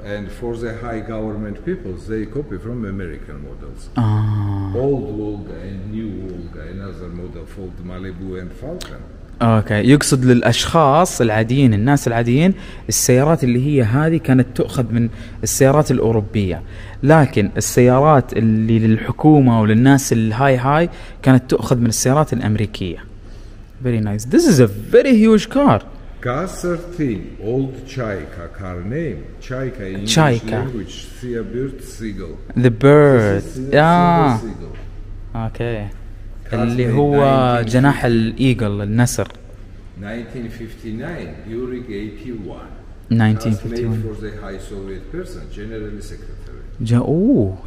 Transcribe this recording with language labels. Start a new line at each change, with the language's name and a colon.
English: And for the high government people, they copy from American models. Ah. Old Volga and new Volga, another model for the Malibu and Falcon.
Arabic: اوكي يقصد للاشخاص العاديين الناس العاديين السيارات اللي هي هذه كانت تؤخذ من السيارات الاوروبيه لكن السيارات اللي للحكومه وللناس الهاي هاي كانت تؤخذ من السيارات الامريكيه.
English: Very nice. This is a very huge car. Gas 13 old Chaika car name. Chaika in English language. See a bird seagull. The bird. Yeah. Okay.
Arabic: اللي هو جناح الإيجل النسر.
English: 1959 during 81. 1951. Made for the High Soviet person, General Secretary.